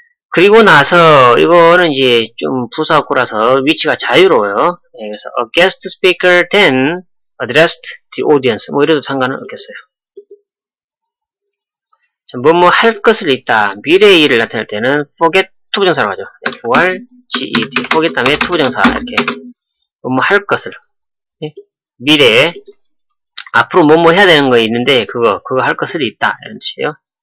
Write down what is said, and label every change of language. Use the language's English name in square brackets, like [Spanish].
[Korean] 그리고 나서, 이거는 이제 좀 부사구라서 위치가 자유로워요. 그래서 [English] a guest speaker then, addressed the audience. [Korean] 뭐, 이래도 상관은 없겠어요. 자, 뭐, 뭐, 할 것을 있다. 미래의 일을 나타낼 때는 forget, 투부정사로 하죠. for, get, forget 다음에 투부정사. 이렇게. 뭐, 뭐, 할 것을. 예? 미래에. 앞으로 뭐, 뭐 해야 되는 거 있는데, 그거 할 것을 있다. 이런 뜻이에요.